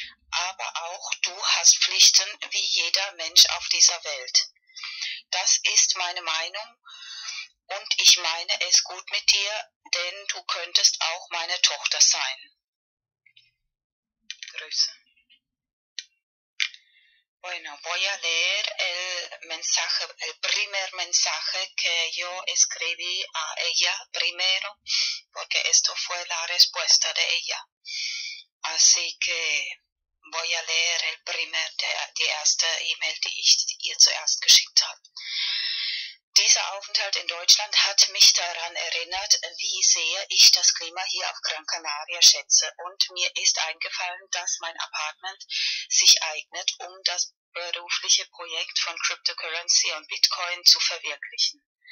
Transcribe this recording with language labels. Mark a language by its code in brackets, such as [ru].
[de] Aber auch du hast Pflichten wie jeder Mensch auf dieser Welt. Das ist meine Meinung und ich meine es gut mit dir, denn du könntest auch meine Tochter sein. Grüße. [es] Bueno, voy a leer el mensaje, el primer mensaje que yo escribí a ella primero, porque esto fue la respuesta de ella. Así que voy a leer el primer, [de] die erste E-Mail, die ich ihr zuerst geschickt habe. Dieser Aufenthalt in Deutschland hat mich daran erinnert, wie sehr ich das Klima hier auf Gran Canaria schätze. Und mir ist eingefallen, dass mein Apartment sich eignet, um das berufliche Projekt von Cryptocurrency und Bitcoin zu verwirklichen.